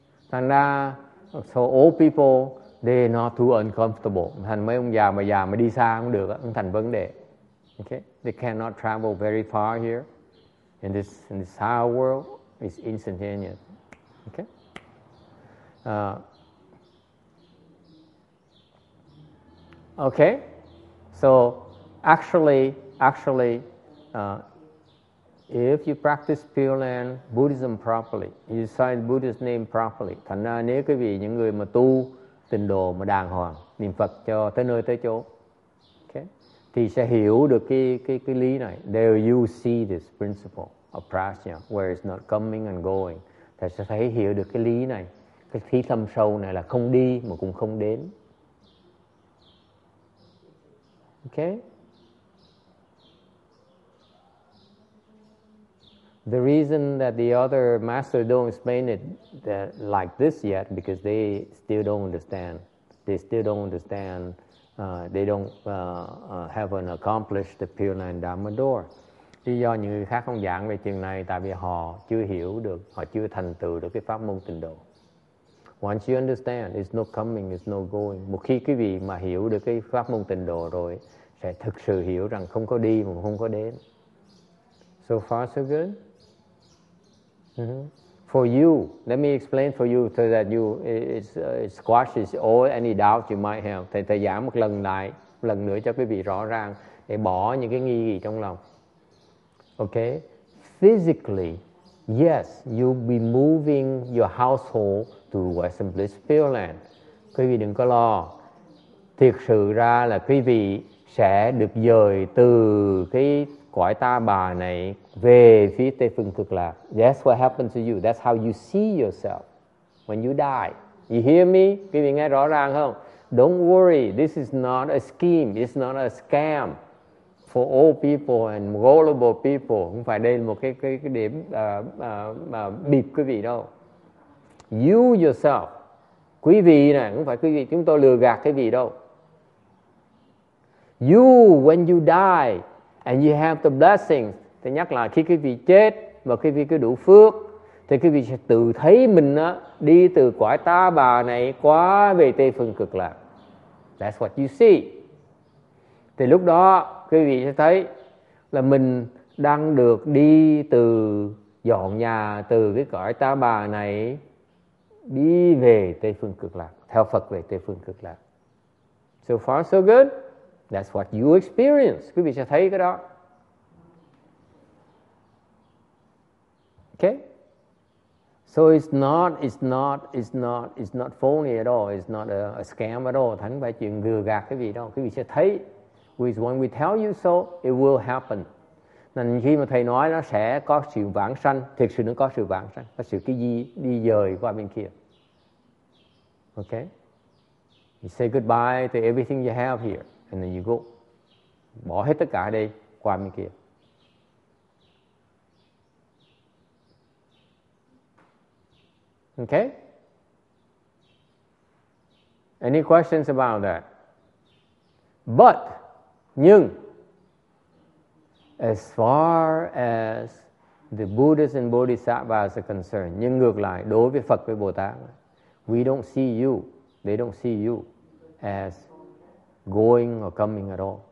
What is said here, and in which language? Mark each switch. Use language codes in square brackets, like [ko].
[vi] Thành ra, [en] so old people, they are not too uncomfortable. [vi] Thành mấy ông già mà đi xa cũng được, cũng thành vấn đề. [en] Okay? They cannot travel very far here. In this higher world, it's instantaneous. Okay? Okay? So, if you practice Pure Land Buddhism properly, you sign Buddhist name properly, [vi] thành ra nếu quý vị những người mà tu tịnh độ mà đàng hoàng niệm Phật cho tới nơi tới chỗ, okay, thì sẽ hiểu được cái lý này. [en] There you see this principle of prajna, where it's not coming and going. [vi] Thì sẽ thấy hiểu được cái lý này, cái thí thâm sâu này là không đi mà cũng không đến. [en] Okay. The reason that the other master don't explain it that like this yet because they still don't understand. They still don't understand. Haven't accomplished the Pure Land Dharma door. [vi] Lý do những người khác không giảng về chuyện này tại vì họ chưa hiểu được, họ chưa thành tựu được cái pháp môn tịnh độ. [en] Once you understand, it's no coming, it's no going. [vi] Một khi quý vị mà hiểu được cái pháp môn tịnh độ rồi, sẽ thực sự hiểu rằng không có đi mà không có đến. [en] So far, so good. Mm-hmm. For you, let me explain for you so that you it squashes all any doubt you might have. [vi] Thầy giảng một lần lại, lần nữa cho quý vị rõ ràng để bỏ những cái nghi gì trong lòng. [en] Okay, physically, yes, you'll be moving your household to Western Bliss Pure Land. [vi] Quý vị đừng có lo. Thiệt sự ra là quý vị sẽ được dời từ cái cõi ta bà này về phía Tây Phương Cực Lạc. [en] That's what happens to you. That's how you see yourself when you die. You hear me? [vi] Quý vị nghe rõ ràng không? [en] Don't worry. This is not a scheme. It's not a scam for old people and vulnerable people. [vi] Không phải đây là một cái điểm bịp quý vị đâu. [en] You yourself. [vi] Quý vị này, không phải quý vị chúng tôi lừa gạt quý vị đâu. [en] You, when you die, and you have the blessings. [vi] Thì nhắc lại khi quý vị chết và khi quý vị có đủ phước, thì quý vị sẽ tự thấy mình á, đi từ cõi ta bà này qua về Tây Phương Cực Lạc. [en] That's what you see. [vi] Thì lúc đó quý vị sẽ thấy là mình đang được đi từ dọn nhà từ cái cõi ta bà này đi về Tây Phương Cực Lạc, theo Phật về Tây Phương Cực Lạc. [en] So far so good. That's what you experience. [vi] Quý vị sẽ thấy cái đó. [en] Okay? So it's not phony at all. It's not a scam at all. [vi] Thành phải chuyện lừa gạt quý vị đâu. Quý vị sẽ thấy. [en] When we tell you so, it will happen. [vi] Nên khi mà thầy nói nó sẽ có sự vãng sanh, thực sự nó có sự vãng sanh, có sự cái gì đi dời qua bên kia. [en] Okay? You say goodbye to everything you have here, and then you go. [vi] Bỏ hết tất cả ở đây, qua bên kia. [en] Okay? Any questions about that? But, nhưng, as far as the Buddhas and Bodhisattvas are concerned, [vi] nhưng ngược lại, đối với Phật với Bồ Tát, [en] we don't see you, they don't see you as going or coming at all.